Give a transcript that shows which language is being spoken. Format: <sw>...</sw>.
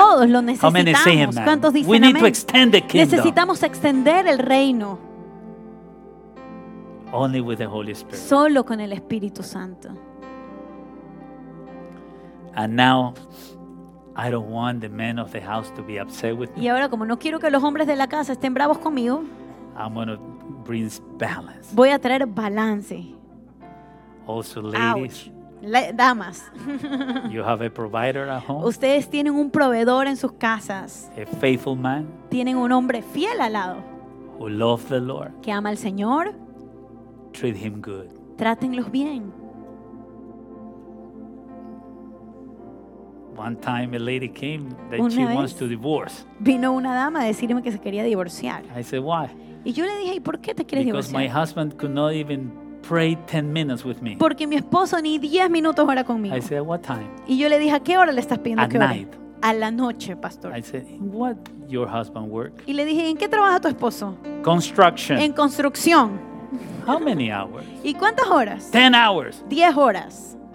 <es>Todos lo necesitamos.</es> <en>How many say amen?</en> <es>¿Cuántos dicen</es> <en>amén? We need to extend the kingdom.</en> <es>Necesitamos extender el reino.</es> <en>Only with the Holy Spirit.</en> <es>Solo con el Espíritu Santo.</es> <en>And now, I don't want the men of the house to be upset with me.</en> <es>Y ahora, como no quiero que los hombres de la casa estén bravos conmigo,</es> <en>I'm going to bring balance.</en> <es>Voy a traer balance.</es> <en>Also, ladies.</en> <es>Ouch. Damas.</es> <en>You have a provider at home.</en> <es>Ustedes tienen un proveedor en sus casas.</es> <en>A faithful man.</en> <es>Tienen un hombre fiel al lado.</es> <en>Who loves the Lord.</en> <es>Que ama al Señor.</es> <en>Treat him good.</en> <es>Trátenlos bien.</es> <en>One time a lady came that she wants to divorce.</en> <es>Vino una dama a decirme que se quería divorciar.</es> <en>I said, why?</en> <es>Y yo le dije, ¿y por qué te quieres divorciar?</es> <en>Because my husband could not even pray 10 minutes with me.</en> <es>Porque mi esposo ni 10 minutos ora conmigo.</es> <en>I said, what time?</en> <es>Y yo le dije, ¿a qué hora le estás pidiendo</es> <en>at</en> <es>que ore?</es> <en>Night.</en> <es>A la noche, pastor.</es> <en>I said, what your husband work?</en> <es>Y le dije, ¿en qué trabaja tu esposo?</es> <en>Construction.</en> <es>En construcción.</es> <en>How many hours?</en> <es>¿Y cuántas horas?</es> <en>10 hours.</en> <es>10 horas.</es>